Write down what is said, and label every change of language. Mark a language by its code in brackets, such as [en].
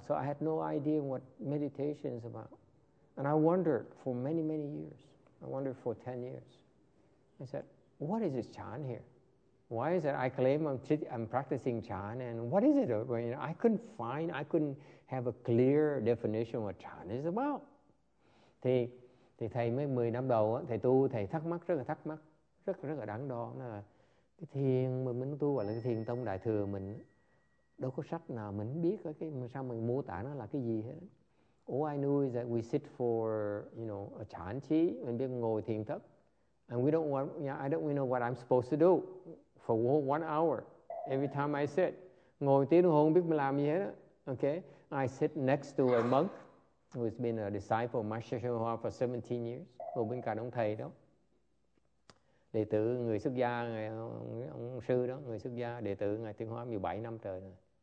[en] So I had no idea what meditation is about. And I wondered for many, many years. I wondered for 10 years. I said, what is this chan here? Why is it I claim I'm practicing chan, and what is it? I couldn't have a clear definition of what chan is about. [vi] Thì thầy mới 10 năm đầu, thầy tu, thầy thắc mắc, rất rất là đắn đo. Cái thiền mà mình tu gọi là cái thiền tông đại thừa, mình đâu có sách nào mình biết cái sao mình mô tả nó là cái gì hết. [en] All I knew is that we sit for, you know, a chan chi, [vi] mình biết ngồi thiền thất. [en] And we don't want, you know, I don't even know what I'm supposed to do for one hour. Every time I sit, [vi] ngồi tiếng đồng hồ không biết mình làm gì hết. [en] Okay, I sit next to a monk who's been a disciple of Master Shen Hua for 17 years. [vi] Ngồi bên cạnh ông thầy đó, đệ tử người xuất gia, ông sư đó, người xuất gia, đệ tử ngài Tiên Hóa 17 năm trời rồi.